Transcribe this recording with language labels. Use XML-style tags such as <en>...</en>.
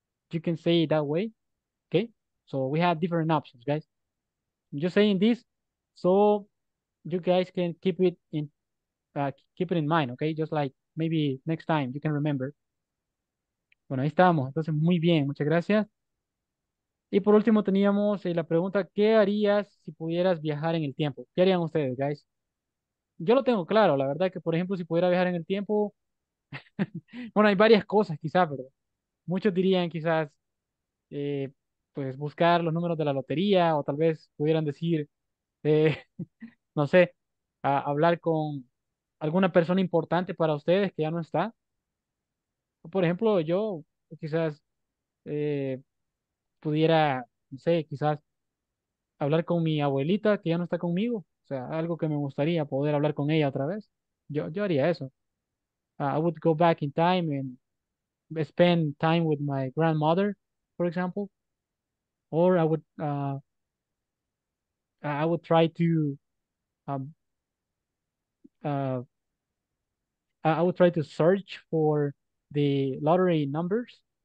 <en>You can say it that way. Okay. So we have different options, guys. I'm just saying this so you guys can keep it in mind, okay? Just like maybe next time you can remember.</en> <es>Bueno, ahí estamos. Entonces, muy bien, muchas gracias. Y por último teníamos la pregunta, ¿qué harías si pudieras viajar en el tiempo? ¿Qué harían ustedes, guys? Yo lo tengo claro, la verdad que por ejemplo, si pudiera viajar en el tiempo, bueno, hay varias cosas quizás, pero muchos dirían quizás pues buscar los números de la lotería o tal vez pudieran decir no sé, hablar con alguna persona importante para ustedes que ya no está. Por ejemplo, yo quizás pudiera, no sé, quizás hablar con mi abuelita que ya no está conmigo. O sea, algo que me gustaría poder hablar con ella otra vez. Yo haría eso.</es> <en>I would go back in time and spend time with my grandmother, for example. Or I would try to I would try to search for the lottery numbers.</en>